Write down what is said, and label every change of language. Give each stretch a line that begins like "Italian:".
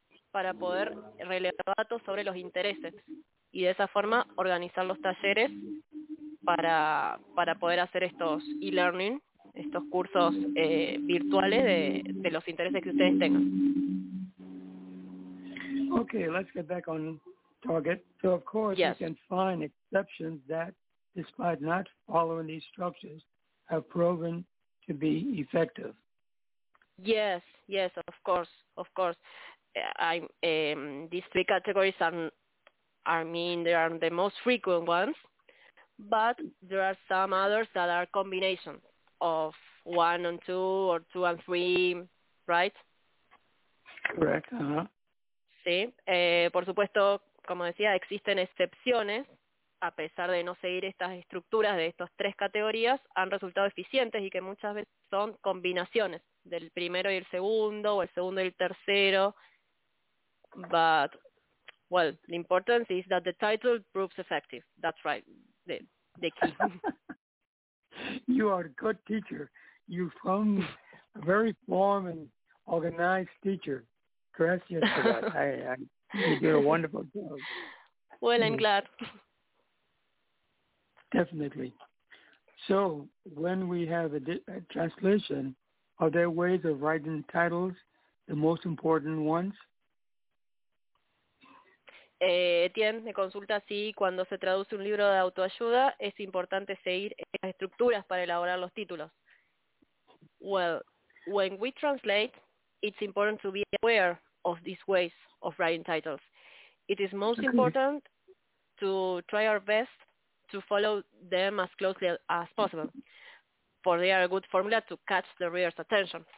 Spanish: para poder relevar datos sobre los intereses y de esa forma organizar los talleres para poder hacer estos e-learning, estos cursos virtuales de los intereses que ustedes tengan.
English: Okay, let's get back on target. So, of course, yes. we can find exceptions that, despite not following these structures, have proven to be effective. Yes, yes, of course, of course. These three categories they are the most frequent ones, but there are some others that are combinations of one and two or two and three, right? Correct, uh-huh.
Spanish: Sí, por supuesto, como decía, existen excepciones, a pesar de no seguir estas estructuras de estas tres categorías, han resultado eficientes y que muchas veces son combinaciones del primero y el segundo, o el segundo y el tercero.
English: But, well, the importance is that the title proves effective. That's right, the key. You are a good teacher. You found a very form and organized teacher. Gracias for that. You did a wonderful job. Well, I'm glad. Definitely. So, when we have a translation, are there ways of writing the titles, the most important ones?
Spanish: Etienne me consulta si cuando se traduce un libro de autoayuda es importante seguir las estructuras para elaborar los títulos.
English: Well, when we translate, it's important to be aware of these ways of writing titles. It is most important to try our best to follow them as closely as possible, for they are a good formula to catch the reader's attention.